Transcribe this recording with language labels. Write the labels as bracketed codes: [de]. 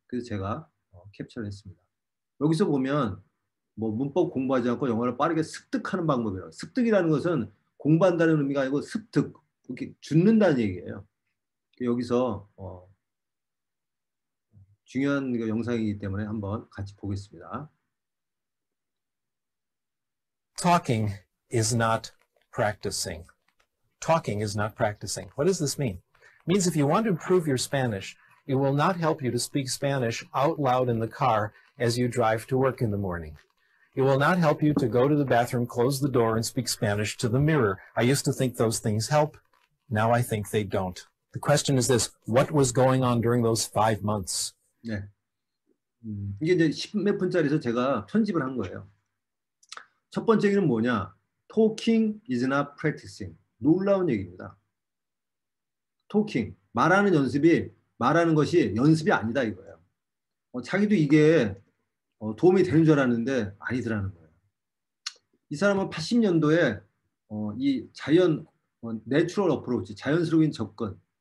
[ko] 그래서 제가 캡처를 했습니다. 여기서 보면 뭐 문법 공부하지 않고 영어를 빠르게 습득하는 방법이라고. 습득이라는 것은 공부한다는 의미가 아니고 습득, 이렇게 죽는다는 얘기예요. 여기서 중요한 영상이기 때문에 한번 같이 보겠습니다. [en] Talking is not practicing. Talking is not practicing. What does this mean? It means if you want to improve your Spanish, it will not help you to speak Spanish out loud in the car as you drive to work in the morning. It will not help you to go to the bathroom, close the door, and speak Spanish to the mirror. I used to think those things help. Now I think they don't. The question is this: what was going on during those 5 months? [ko] 네. 이게 이제 십몇 분짜리에서 제가 편집을 한 거예요. 첫 번째 얘기는 뭐냐? [en] Talking is not practicing. [ko] 놀라운 얘기입니다. Talking. 말하는 연습이, 말하는 것이 연습이 아니다 이거예요. 자기도 이게 도움이 되는 줄 알았는데 아니더라는 거예요. 이 사람은 80년도에 이 자연, natural approach, 자연스러운 접근.